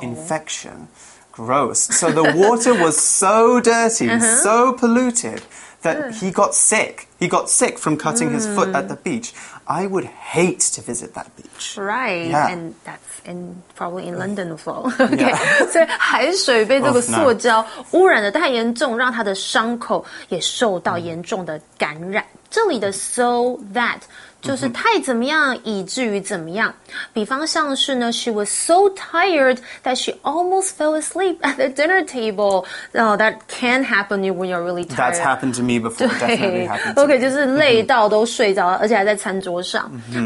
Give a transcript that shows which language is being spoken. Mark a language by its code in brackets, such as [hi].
[en] infection Gross So the water was so dirty,、mm-hmm. so polluted that he got sick. He got sick from cutting、mm. his foot at the beach. I would hate to visit that beach. Right,、 yeah. and that's in, probably in London as well. Okay,、yeah. [zh] 所以海水被这个塑胶污染得太严重，让他的伤口也受到严重的感染。这里的 [en] so that [zh] 就是太怎么样以至于怎么样。比方像是呢 [en] ,she was so tired that she almost fell asleep at the dinner table. Oh, that can happen when you're really tired. That's happened to me before, definitely happened to [zh] me. Okay, 就是累到都睡着了而且还在餐桌上。Mm-hmm.